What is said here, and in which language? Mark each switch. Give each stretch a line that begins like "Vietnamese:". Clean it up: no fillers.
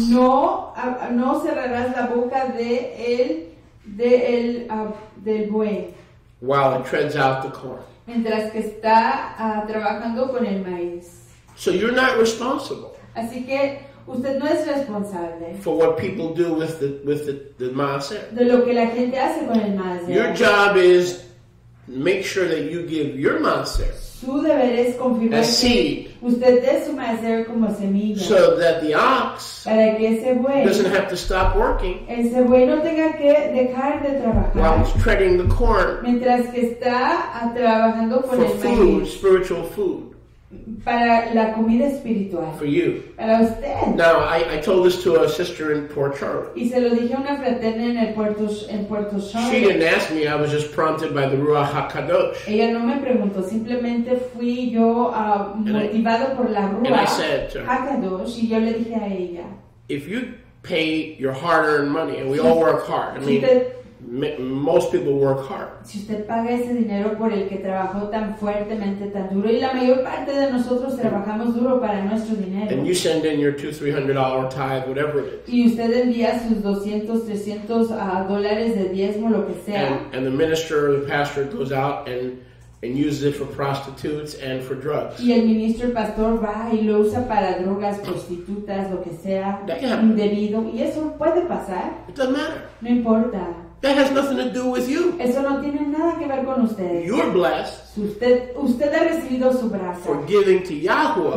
Spanish: No cerrarás la boca del buey.
English: While it treads out the corn.
Spanish: Mientras que está trabajando con el maíz.
English: So you're not responsible.
Spanish: Así que usted no es responsable.
English: For what people do with the maaser.
Spanish: De lo que la gente hace con el maaser.
English: Your job is make sure that you give your maaser a seed,
Spanish: usted dé su maaser como semilla,
English: so that the ox,
Spanish: para que ese buey,
English: doesn't have to stop working,
Spanish: ese buey no tenga que dejar de trabajar,
English: while he's treading the corn,
Spanish: mientras que está trabajando con
English: for
Spanish: el
English: food,
Spanish: maíz,
English: spiritual food,
Spanish: para la comida espiritual,
English: for you,
Spanish: para usted.
English: Now I told this to a sister in Port Charlotte.
Spanish: Y se lo dije a una fraterna en Puerto Charlotte.
English: She didn't ask me. I was just prompted by the Ruach Hakadosh.
Spanish: Ella no me preguntó. Simplemente fui yo motivado por la Ruach Hakadosh. And y yo le dije a ella.
English: If you pay your hard-earned money, and we all work hard. Most people work hard.
Spanish: Si usted paga ese dinero por el que trabajó tan fuertemente, tan duro, y la mayor parte de nosotros trabajamos duro para nuestro dinero.
English: And you send in your $200-$300 tithe, whatever it is.
Spanish: Y usted envía sus $200-$300 dólares de diezmo, lo que sea.
English: And the minister or the pastor goes out and uses it for prostitutes and for drugs.
Spanish: Y el ministro, el pastor va y lo usa para drogas, prostitutas, lo que sea, indebido. Y eso puede pasar.
English: It doesn't matter.
Spanish: No importa.
English: That has nothing to do with you.
Spanish: Eso no tiene nada que ver con usted.
English: You're blessed.
Spanish: Usted ha recibido su gracia.
English: For giving to Yahuwah.